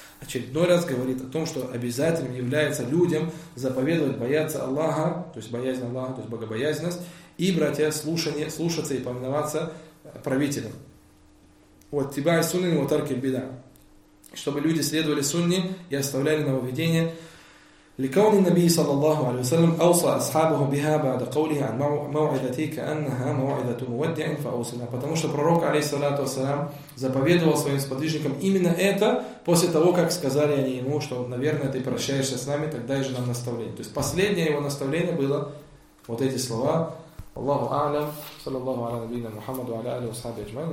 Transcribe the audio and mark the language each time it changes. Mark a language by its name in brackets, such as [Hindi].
[Russian] Очередной раз говорит о том, что обязательным является людям заповедовать бояться Аллаха, то есть боязнь Аллаха, то есть богобоязненность, и, братья, слушание, слушаться и повиноваться правителям. Вот тибай сунни ва таркиль бида. Чтобы люди следовали сунни и оставляли нововведения. [Arabic] لكون النبي صلى الله عليه وسلم أوصى أصحابه بها بعد قوله عن موعدتي كأنها موعدة مودع فأوصنا. [Russian] Потому что пророк عليه الصلاة والسلام заповедовал своим сподвижникам именно это после того, как сказали они ему, что, наверное, ты прощаешься с нами, тогда и же нам наставление. То есть последнее его наставление было вот эти слова. Аллаху أعلم. [Arabic] صلى الله على نبينا محمد وعلى آله وصحبه أجمعين.